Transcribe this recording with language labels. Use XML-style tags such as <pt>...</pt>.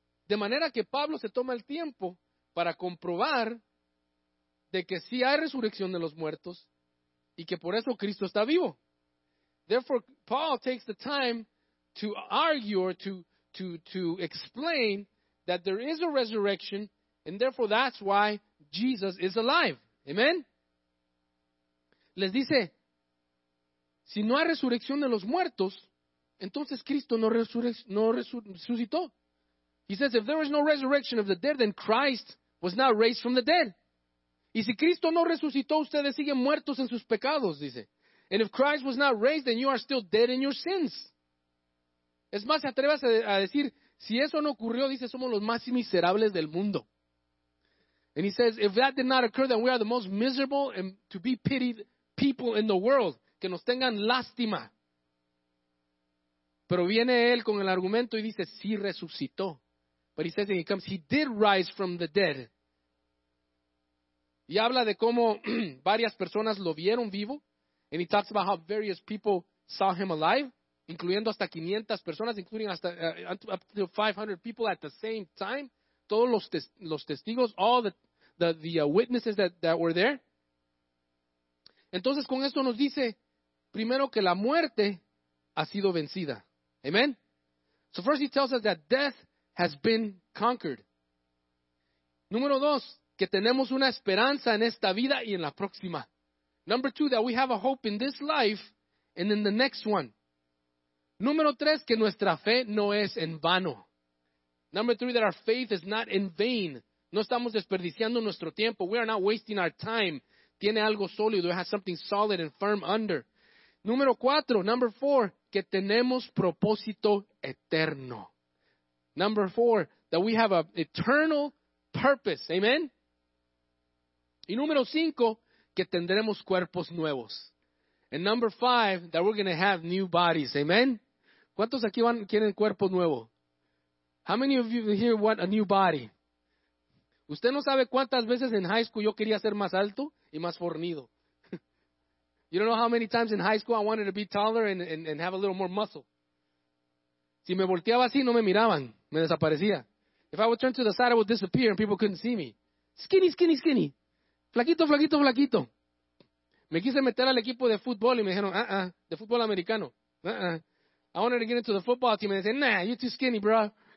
<es>De manera que Pablo se toma el tiempo para comprobar de que sí hay resurrección de los muertos y que por eso Cristo está vivo.</es> <en>Therefore, Paul takes the time to argue or to explain that there is a resurrection, and therefore that's why Jesus is alive. Amen?</en> <es>Les dice, si no hay resurrección de los muertos, entonces Cristo no resucitó.</es> <en>He says, if there is no resurrection of the dead, then Christ was not raised from the dead.</en> <es>Y si Cristo no resucitó, ustedes siguen muertos en sus pecados, dice.</es> <en>And if Christ was not raised, then you are still dead in your sins.</en> <es>Es más, atrévase a decir, si eso no ocurrió, dice, somos los más miserables del mundo.</es> <en>And he says, if that did not occur, then we are the most miserable and to be pitied people in the world.</en> <es>Que nos tengan lástima. Pero viene él con el argumento y dice, sí resucitó.</es> <en>But he says, and he comes, he did rise from the dead.</en> <es>Y habla de cómo varias personas lo vieron vivo.</es> <en>And he talks about how various people saw him alive,</en> <es>incluyendo hasta 500 personas,</es> <en>including hasta up to 500 people at the same time.</en> <es>Todos los testigos,</es> <en>all the witnesses that were there.</en> <es>Entonces con esto nos dice, primero que la muerte ha sido vencida. Amen.</es> <en>So first he tells us that death has been conquered.</en> <es>Número dos, que tenemos una esperanza en esta vida y en la próxima.</es> <en>Number two, that we have a hope in this life and in the next one.</en> <es>Número tres, que nuestra fe no es en vano.</es> <en>Number three, that our faith is not in vain.</en> <es>No estamos desperdiciando nuestro tiempo.</es> <en>We are not wasting our time.</en> <es>Tiene algo sólido.</es> <en>It has something solid and firm under.</en> <es>Número cuatro,</es> <en>number four,</en> <es>que tenemos propósito eterno.</es> <en>Number four, that we have an eternal purpose. Amen.</en> <es>Y número cinco, que tendremos cuerpos nuevos.</es> <en>And number five, that we're going to have new bodies. Amen.</en> <es>¿Cuántos aquí quieren cuerpo nuevo?</es> <en>How many of you here want a new body?</en> <es>Usted no sabe cuántas veces en high school yo quería ser más alto y más fornido.</es> <en>You don't know how many times in high school I wanted to be taller and have a little more muscle.</en> <es>Si me volteaba así, no me miraban. Me desaparecía.</es> <en>If I would turn to the side, I would disappear and people couldn't see me. Skinny, skinny, skinny.</en> <es>Flaquito, flaquito, flaquito. Me quise meter al equipo de fútbol y me dijeron, de fútbol americano.</es> <en>I wanted to get into the football team and they said, nah, you're too skinny, bro.</en>